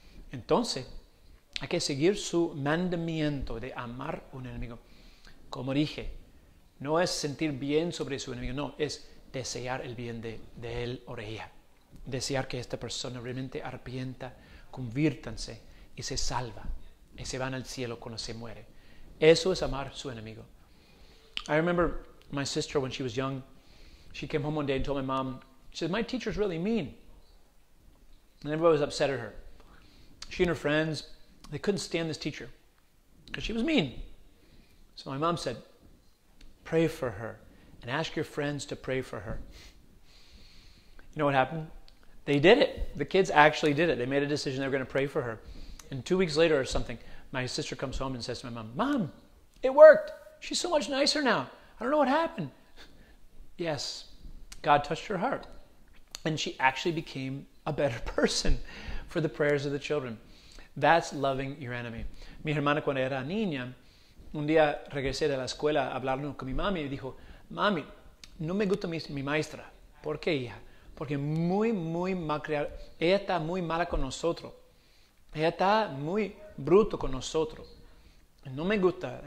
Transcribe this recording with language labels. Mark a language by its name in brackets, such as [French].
[Spanish] Entonces, hay que seguir su mandamiento de amar un enemigo. Como dije, no es sentir bien sobre su enemigo, no, es desear el bien de él o de ella. Desear que esta persona realmente arrepienta, conviértanse y se salva. Y se van al cielo cuando se muere. Eso es amar su enemigo. [English] I remember my sister when she was young. She came home one day and told my mom, she said, my teacher's really mean. And everybody was upset at her. She and her friends, they couldn't stand this teacher because she was mean. So my mom said, pray for her. And ask your friends to pray for her. You know what happened? They did it. The kids actually did it. They made a decision they were going to pray for her. And 2 weeks later or something, my sister comes home and says to my mom, Mom, it worked. She's so much nicer now. I don't know what happened. Yes, God touched her heart. And she actually became a better person for the prayers of the children. That's loving your enemy. [Spanish] Mi hermana cuando era niña, un día regresé de la escuela a hablar con mi mami y dijo, Mami, no me gusta mi maestra. ¿Por qué, hija? porque muy, muy mal creado. Ella está muy mala con nosotros. Ella está muy bruto con nosotros. No me gusta.